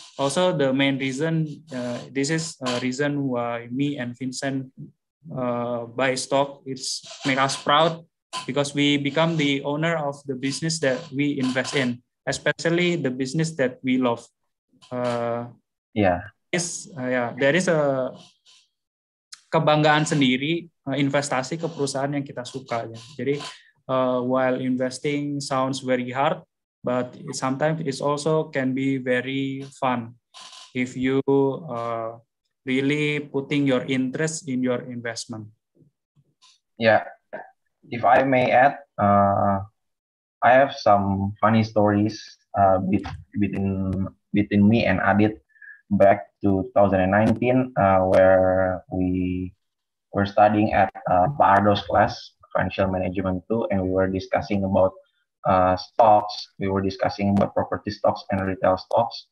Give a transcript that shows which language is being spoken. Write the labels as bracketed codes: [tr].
[en] Also, the main reason, this is a reason why me and Vincent buy stock, it's make us proud, because we become the owner of the business that we invest in, especially the business that we love. There is a [id] kebanggaan sendiri investasi ke perusahaan yang kita suka. Ya. [en] Jadi, while investing sounds very hard, but sometimes it also can be very fun if you really putting your interest in your investment. Yeah, if I may add, I have some funny stories between me and Adit back to 2019, where we were studying at Bardo's class, Financial Management 2, and we were discussing about stocks, we were discussing about property stocks and retail stocks.